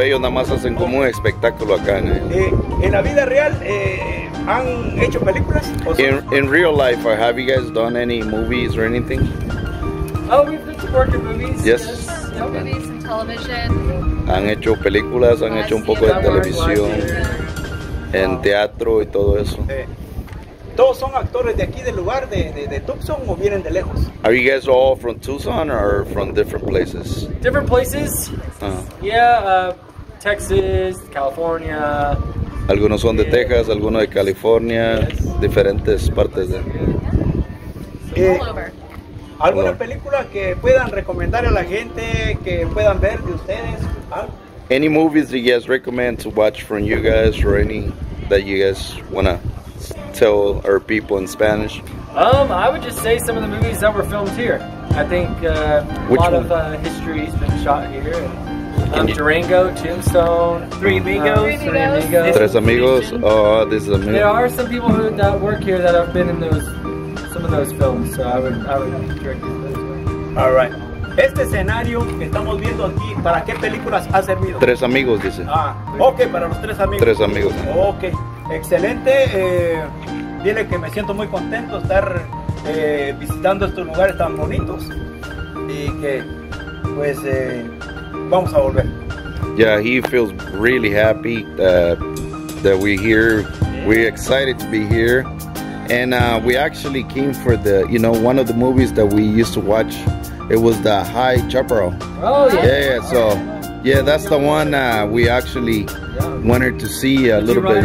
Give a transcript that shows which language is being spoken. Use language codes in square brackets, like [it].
[es] Ellos nada más hacen como un espectáculo acá. ¿En la vida real han hecho películas? [en] In real life, have you guys done any movies or anything? Oh, we've been working in movies. Yes. Movies and television. [es] ¿Han hecho películas? ¿Han hecho un poco de televisión? ¿En teatro y todo eso? ¿Todos son actores de aquí del lugar, de Tucson, o vienen de lejos? [en] Are you guys all from Tucson or from different places? Different places? Uh-huh. Yeah, Texas, California. [es] Algunos son de Texas, algunos de California, yes. Diferentes partes de... ¿Alguna película que puedan recomendar a la gente, que puedan ver de ustedes? [en] Any movies that you guys recommend to watch from you guys, or any that you guys wanna tell our people in Spanish? I would just say some of the movies that were filmed here. I think a lot of history has been shot here. Durango, Tombstone, Three Amigos. This is amazing. There are some people that work here that have been in some of those films, so I would direct them. All right. [es] Este escenario que estamos viendo aquí, ¿para qué películas ha servido? Tres Amigos, dice. Ah, ok, para los Tres Amigos. Tres Amigos. Ok, excelente. Dile que me siento muy contento de estar visitando estos lugares tan bonitos. Y que, pues, vamos a volver. [en] Yeah, he feels really happy that we're here. We're excited to be here. And we actually came for the, you know, one of the movies that we used to watch. It was the High Chaparral. Oh, yeah. Yeah, so, yeah, that's the one we actually wanted to see a little bit.